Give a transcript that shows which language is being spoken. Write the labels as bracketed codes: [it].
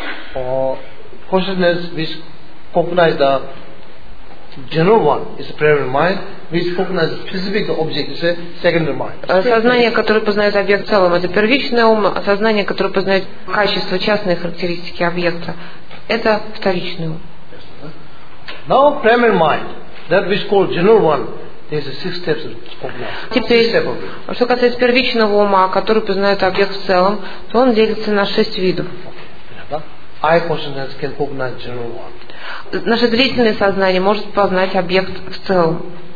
[en] Consciousness which cognizes the general one is primary mind, which cognizes specific object is secondary mind. [ru] Сознание, которое познает объект в целом, это первичное ум. А сознание, которое познает качество, частные характеристики объекта, это вторичное ум. [en] Now primary mind, that which called general one. There's six steps of cognition. [ru] Теперь, [en] six steps of it. [ru] Что касается первичного ума, который познает объект в целом, то он делится на шесть видов. [en] Eye consciousness can cognize general one. [ru] Наше зрительное сознание может познать объект в целом.